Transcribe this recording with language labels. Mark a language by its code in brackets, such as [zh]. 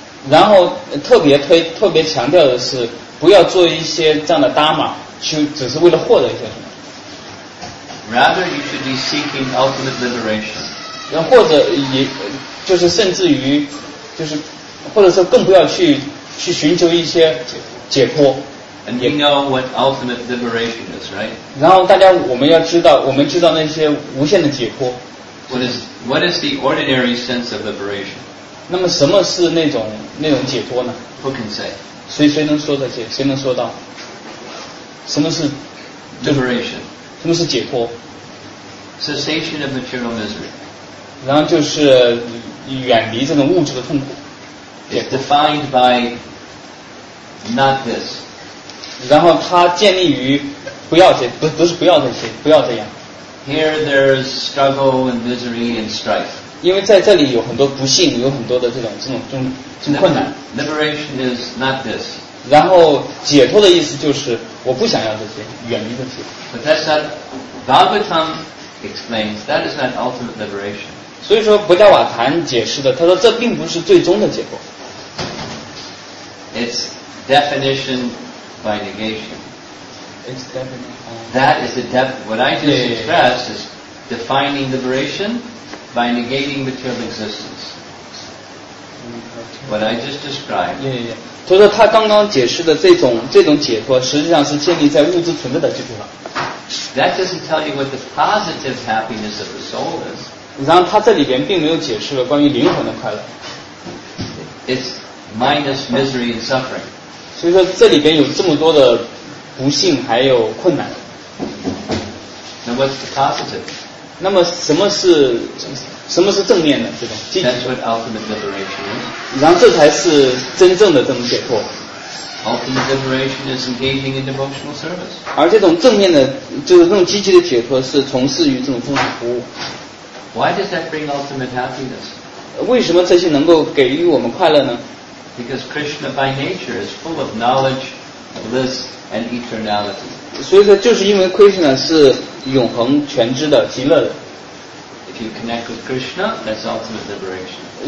[zh] 然后特别强调的是不要做一些这样的达玛去只是为了获得一些什么。 [en] Rather you should be seeking ultimate liberation. [zh] 然后或者也就是甚至于就是或者是更不要去寻求一些解脱。 [en] And you know what ultimate liberation is, right? [zh] 然后大家我们知道那些无限的解脱。 [en] What is the ordinary sense of liberation? [zh] 那么什么是那种解脱呢 [en] ？Who can say？ [zh] 谁能说得解？谁能说到？什么是 [en] liberation？ [zh] 什么是解脱 [en] ？Cessation of material misery。 [zh] 然后就是远离这种物质的痛苦。 [en] It's defined by not this。 [zh] 然后它建立于不要这不是不要这些不要这样。 [en] Here there's struggle and misery and strife。 [zh] 因为在这里有很多不幸，有很多的这种困难。 [en] Liberation is not this. [zh] 然后解脱的意思就是我不想要这些，远离这些。 [en] But that's not, Bhagavatam explains that is not ultimate liberation. [zh] 所以说，布加瓦坛解释的，他说这并不是最终的解脱。 [en] It's definition by negation. It's definition. That is the depth. What I just expressed is defining liberation. By negating material existence, what I just described. Yeah. [zh] 所以说他刚刚解释的这种解脱，实际上是建立在物质存在的基础上。 [en] That doesn't tell you what the positive happiness of the soul is. [zh] 然后他这里边并没有解释了关于灵魂的快乐。 [en] It's minus misery and suffering. [zh] 所以说这里边有这么多的不幸还有困难。 [en] Now what's the positive? [zh] 那么什么是正面的这种积极？ [en] That's what ultimate liberation is. [zh] 然后这才是真正的这种解脱。 [en] Ultimate liberation is engaging in devotional service. [zh] 而这种正面的，就是这种积极的解脱，是从事于这种奉献服务。 [en] Why does that bring ultimate happiness? [zh] 为什么这些能够给予我们快乐呢？ [en] Because Krishna by nature is full of knowledge, bliss, and eternality. [zh] 所以说，就是因为 Krishna 是永恒全知的、极乐的。 [en] If you connect with Krishna, that's ultimate liberation.